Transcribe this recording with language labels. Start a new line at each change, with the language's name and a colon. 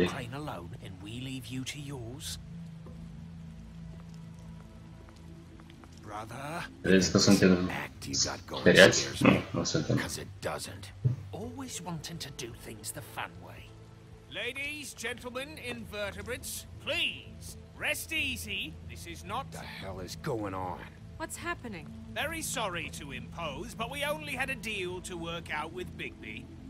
English: You leave Crane alone, and we leave you to yours. Brother,
Romanian: credeți că suntem speriați? Nu, nu suntem.
English: Because it doesn't. Always wanting to do things the fun way. Ladies, gentlemen, invertebrates, please. Rest easy. This is not... What the hell is going on? What's happening? Very sorry to impose, but we only had a deal to work out with Bigby.